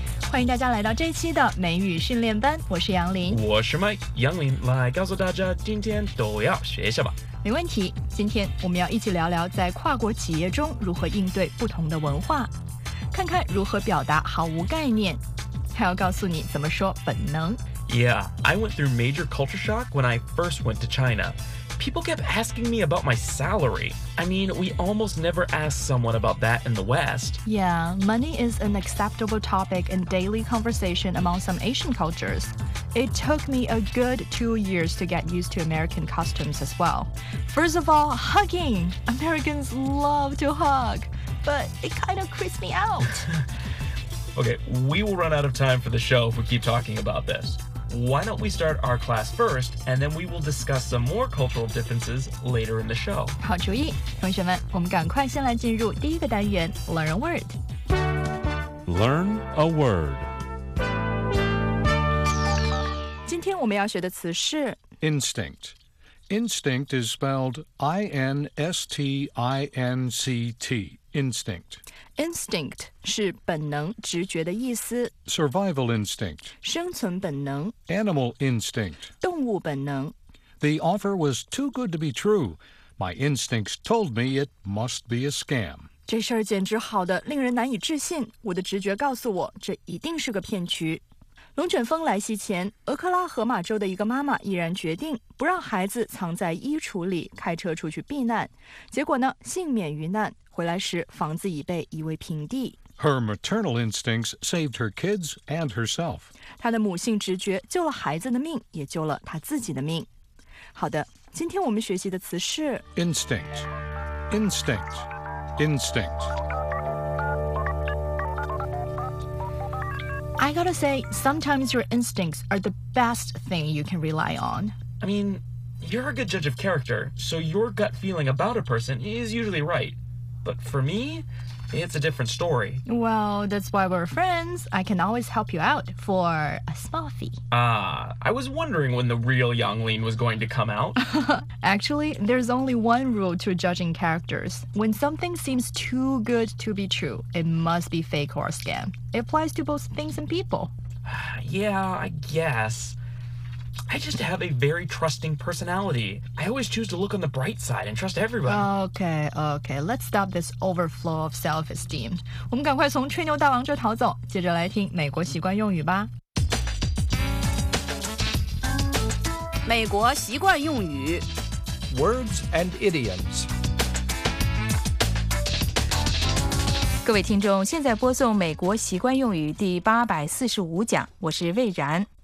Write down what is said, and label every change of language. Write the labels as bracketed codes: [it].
[zh] 欢迎大家来到这期的美语训练班，我是杨林，我是 Mike， 杨林来告诉大家今天都要学什么。没问题，今天我们要一起聊聊在跨国企业中如何应对不同的文化，看看如何表达毫无概念，还要告诉你怎么说本能。 [en] Yeah, I went through major culture shock when I first went to China. People kept asking me about my salary. I mean, we almost never ask someone about that in the West. Yeah, money is an acceptable topic in daily conversation among some Asian cultures. It took me a good 2 years to get used to American customs as well. First of all, hugging! Americans love to hug, but it kind of creeps me out. Okay, we will run out of time for the show if we keep talking about this. Why don't we start our class first, and then we will discuss some more cultural differences later in the show. [zh] 好主意，同学们，我们赶快先来进入第一个单元 , [en] Learn a Word. Learn a Word. [zh] 今天我们要学的词是 [en] Instinct. Instinct is spelled I-N-S-T-I-N-C-T. Instinct. [zh] Instinct 是本能、直觉的意思。 [en] Survival instinct [zh] 生存本能。 [en] Animal instinct [zh] 动物本能。 [en] The offer was too good to be true. My instincts told me it must be a scam. [zh] 这事儿简直好的令人难以置信。我的直觉告诉我，这一定是个骗局。龙卷风来袭前，俄克拉荷马州的一个妈妈毅然决定不让孩子藏在衣橱里，开车出去避难。结果呢，幸免于难。回来时，房子已被夷为平地。 [en] Her maternal instincts saved her kids and herself. [zh] 她的母性直觉救了孩子的命，也救了她自己的命。好的，今天我们学习的词是 [en] instinct, instinct, instinct. I gotta say, sometimes your instincts are the best thing you can rely on. I mean, you're a good judge of character, so your gut feeling about a person is usually right. But for me, it's a different story. Well, that's why we're friends. I can always help you out for a small fee. I was wondering when the real Yang Lin was going to come out. Actually, there's only one rule to judging characters. When something seems too good to be true, it must be fake or a scam. It applies to both things and people. Yeah, I guess. I just have a very trusting personality. I always choose to look on the bright side and trust everybody. Okay, okay. Let's stop this overflow of self-esteem. [zh] 我们赶快从吹牛大王这逃走，接着来听美国习惯用语吧。美国习惯用语 [en] Words and idioms. [zh] 各位听众，现在播送美国习惯用语第845讲，我是魏然。